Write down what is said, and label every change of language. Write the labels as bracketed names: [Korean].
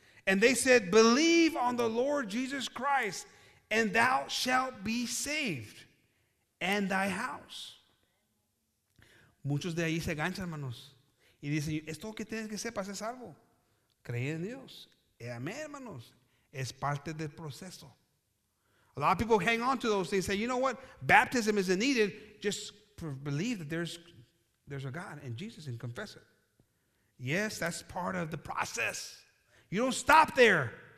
[English] And they said, believe on the Lord Jesus Christ, and thou shalt be saved, and thy house. [Spanish] Muchos de ahí se ganchan, hermanos, y dicen, ¿esto qué tienes que hacer para ser salvo? Creer en Dios. Amén, hermanos. Es parte del proceso. [English] A lot of people hang on to those things. Say, you know what? Baptism isn't needed. Just believe that there's a God and Jesus and confess it. Yes, that's part of the process. You don't stop there.